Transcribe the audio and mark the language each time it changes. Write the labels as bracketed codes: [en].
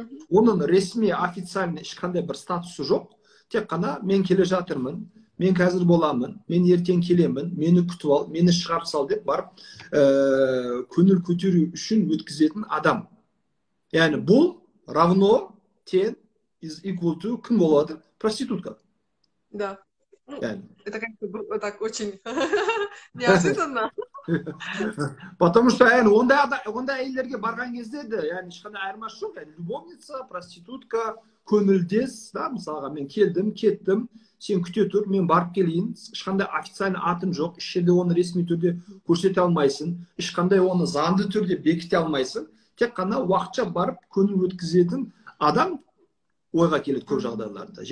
[kk] Оның ресми официальный ешқандай бір статусы жоқ, тек қана мен келе жатырмын, мен қазір боламын, мен ертең келемін, мені күтіп ал, мені шығарып сал деп барып көңіл көтеру үшін өткізетін адам. Яғни бұл [ru] равно [kk] тен [en] is equal to [kk] кім болады? [ru] Проститутка. Да. Яғни. Это как-то так очень неожиданно. Потому что [kk] ондай әйелдерге барған кезде де ешқандай айырмасы жоқ. [ru] Любовница, проститутка, [kk] көңілдес, да, мысалға мен келдім, кеттім, сен күте тұр, мен барып келейін, ешқандай официальный атың жоқ, еш жерде оны ресми түрде көрсете алмайсың, ешқандай оны заңды түрде бекіте алмайсың, тек қана уақытша барып көңіл өткізетін адам ойға келеді көп жағдайларда.